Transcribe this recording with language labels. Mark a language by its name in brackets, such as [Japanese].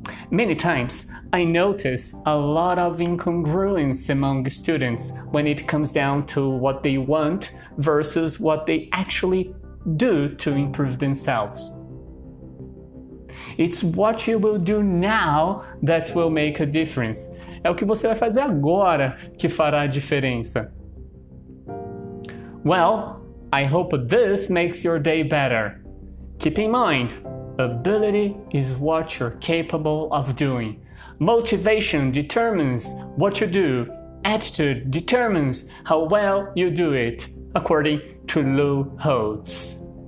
[English] Many times, I notice a lot of incongruence among students when it comes down to what they want versus what they actually do to improve themselves. It's what you will do now that will make a difference. [Portuguese] É o que você vai fazer agora que fará a diferença. [English] Well, I hope this makes your day better. Keep in mind, ability is what you're capable of doing. Motivation determines what you do. Attitude determines how well you do it, according to Lou Holtz.